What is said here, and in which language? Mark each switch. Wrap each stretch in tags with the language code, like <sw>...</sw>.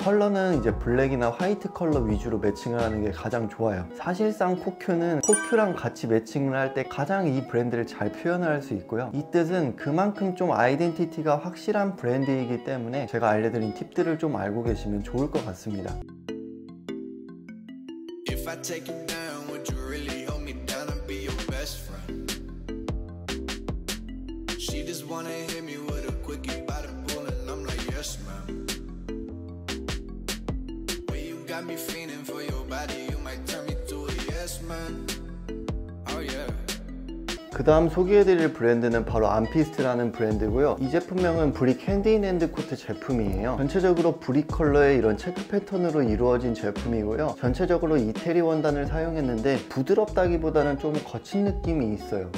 <ko>컬러는 이제 블랙이나 화이트 컬러 위주로 매칭을 하는 게 가장 좋아요. 사실상 코큐는 코큐랑 같이 매칭을 할 때 가장 이 브랜드를 잘 표현을 할 수 있고요. 이 뜻은 그만큼 좀 아이덴티티가 확실한 브랜드이기 때문에 제가 알려드린 팁들을 좀 알고 계시면 좋을 것 같습니다.</ko> <en>If I take you now, would you really hold me down and be your best friend? She just wanna hit me with a quickie by the pool and I'm like yes ma'am. When you got me feeling for your body, you might turn me to a yes man.</en> <ko>그 다음 소개해드릴 브랜드는 바로 암피스트라는 브랜드고요. 이 제품명은 브리 캔디인핸드 코트 제품이에요. 전체적으로 브리 컬러의 이런 체크 패턴으로 이루어진 제품이고요. 전체적으로 이태리 원단을 사용했는데 부드럽다기보다는 좀 거친 느낌이 있어요.</ko>